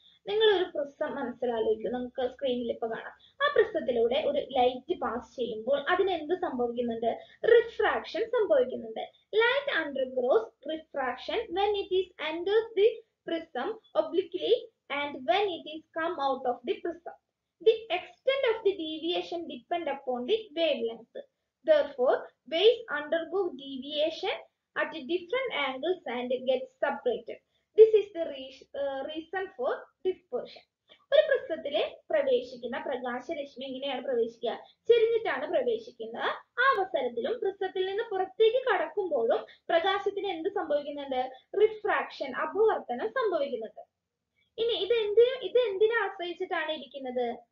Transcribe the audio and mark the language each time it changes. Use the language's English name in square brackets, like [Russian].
[Malayalam] നിങ്ങളൊരു പ്രിസം മനസ്സിലാലോചിക്കും, നമുക്ക് സ്ക്രീനിൽ ഇപ്പൊ കാണാം. ആ പ്രിസത്തിലൂടെ ഒരു ലൈറ്റ് പാസ് ചെയ്യുമ്പോൾ അതിന് എന്ത് സംഭവിക്കുന്നുണ്ട്? റിഫ്രാക്ഷൻ സംഭവിക്കുന്നുണ്ട്. [English] Light undergoes refraction when it is enters the prism obliquely and when it is come out of the prism. The extent of the deviation depend upon the wave length. Therefore, waves undergo deviation at different angles and get separated. This is the reason for dispersion. [Malayalam] ഒരു പ്രിസത്തിലെ പ്രവേശിക്കുന്ന പ്രകാശരശ്മി എങ്ങനെയാണ് പ്രവേശിക്കുക? ചെരിഞ്ഞിട്ടാണ് പ്രവേശിക്കുന്നത്. ആ അവസരത്തിലും പ്രിസത്തിൽ നിന്ന് പുറത്തേക്ക് കടക്കുമ്പോഴും പ്രകാശത്തിന് എന്ത് സംഭവിക്കുന്നുണ്ട്? റിഫ്രാക്ഷൻ, അപവർത്തനം സംഭവിക്കുന്നുണ്ട്. ഇനി ഇത് എന്തിനെ ആശ്രയിച്ചിട്ടാണ് ഇരിക്കുന്നത്?